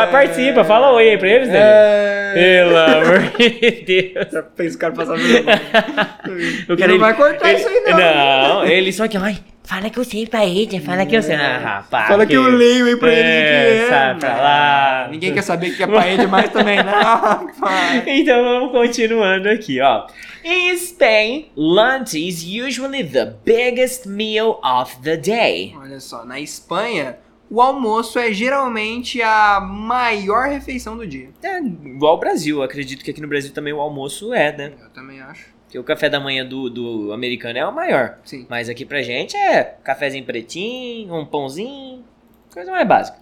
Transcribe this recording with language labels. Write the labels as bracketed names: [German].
[Portuguese] Participa, fala oi aí pra eles, Danilo. Pelo amor de Deus. Já fez o cara passar meu nome. Não vai cortar ele, isso aí, não. Não, ele só que, ai, fala que eu sei pra ele, fala que eu sei. Ah, rapaz. Fala que eu leio aí pra ele. Sai pra lá. Ninguém quer saber o que é pra ele mais também, né? Ah, então vamos continuando aqui, ó. [English] In Spain, lunch is usually the biggest meal of the day. [Portuguese] Olha só, na Espanha, o almoço é geralmente a maior refeição do dia. É, igual o Brasil, eu acredito que aqui no Brasil também o almoço é, né? Eu também acho. Porque o café da manhã do americano é o maior. Sim. Mas aqui pra gente é cafezinho pretinho, um pãozinho, coisa mais básica.